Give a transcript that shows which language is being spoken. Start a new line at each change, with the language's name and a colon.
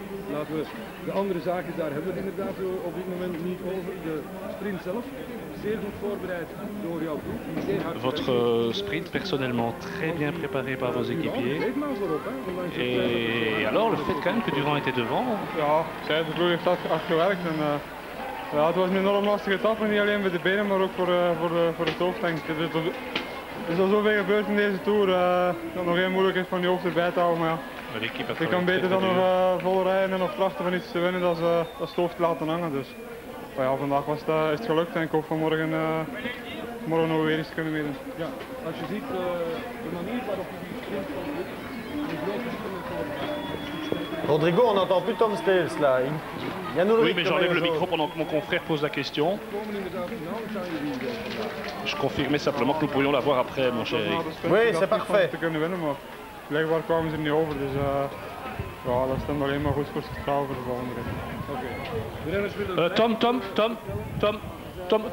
Dutch: Laten we de andere zaken, daar hebben we het inderdaad op dit moment niet over. De sprint zelf, zeer goed voorbereid door jouw ploeg.
French: Votre sprint, personnellement, très bien préparé par vos équipiers. Et alors, le fait quand même que Durand était devant.
Dutch: Ja, zij heeft de ploeg heeft hard gewerkt. En, ja, het was een enorm lastige etappe, niet alleen voor de benen, maar ook voor het hoofd, denk ik. Er is al zoveel gebeurd in deze Tour, dat nog geen moeilijk is van die hoofd erbij te houden. Maar ja. Ik kan beter dan nog vol rijden en nog krachten van iets te winnen dan het hoofd te laten hangen. Dus. Maar ja, vandaag was het, is het gelukt en ik hoop vanmorgen morgen nog weer eens kunnen winnen. Ja, als je ziet de manier waarop je die sprint van dit, die grote.
French: Rodrigo, on n'entend plus Tom Steels là. Oui, mais j'enlève le micro pendant que mon confrère pose la question. Je confirmais simplement que nous pourrions la voir après, mon cher. Oui, c'est parfait.
Dutch: Blijkbaar kwamen ze er niet over, dus dat is dan alleen maar goed voor het vertrouwen voor de volgende rit.